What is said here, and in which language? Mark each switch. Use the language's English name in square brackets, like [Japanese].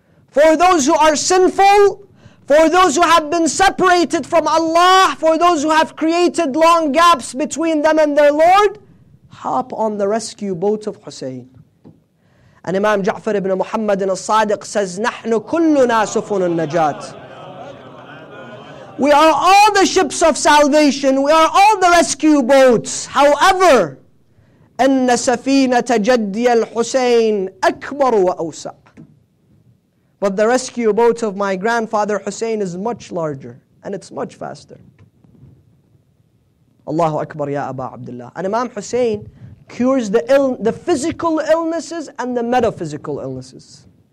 [English] For those who are sinful, for those who have been separated from Allah, for those who have created long gaps between them and their Lord, hop on the rescue boat of Hussein. And Imam Ja'far ibn Muhammad ibn al-Sadiq says, [Arabic] نَحْنُ كُلُّنَا سُفُنُ النَّجَاتِ. [English] We are all the ships of salvation. We are all the rescue boats. However, [Arabic] أَنَّ سَفِينَةَ جَدِّيَ الْحُسَيْنِ أَكْبَرُ وَأَوْسَعُ. [English] But the rescue boat of my grandfather Hussein is much larger and it's much faster. Allahu Akbar ya Aba Abdullah. And Imam Hussein cures the physical illnesses and the metaphysical illnesses.